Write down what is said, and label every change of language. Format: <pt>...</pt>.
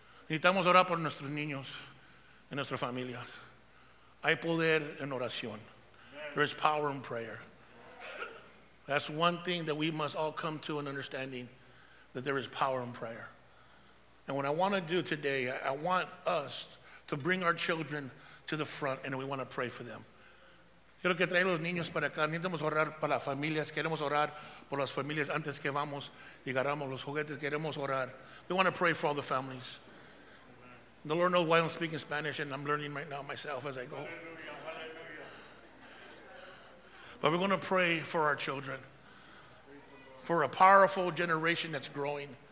<es>Necesitamos orar por nuestros niños y nuestras familias. Hay poder en oración.</es> <en>There is power in prayer. That's one thing that we must all come to an understanding, that there is power in prayer. And what I want to do today, I want us to bring our children to the front, and we want to pray for them.</en> <es>Quiero que traigan los niños para acá. Necesitamos orar para las familias. Queremos orar por las familias antes que vamos y agarramos los juguetes. Queremos orar.</es> <en>We want to pray for all the families. The Lord knows why I'm speaking Spanish, and I'm learning right now myself as I go. But we're going to pray for our children, for a powerful generation that's growing.</en>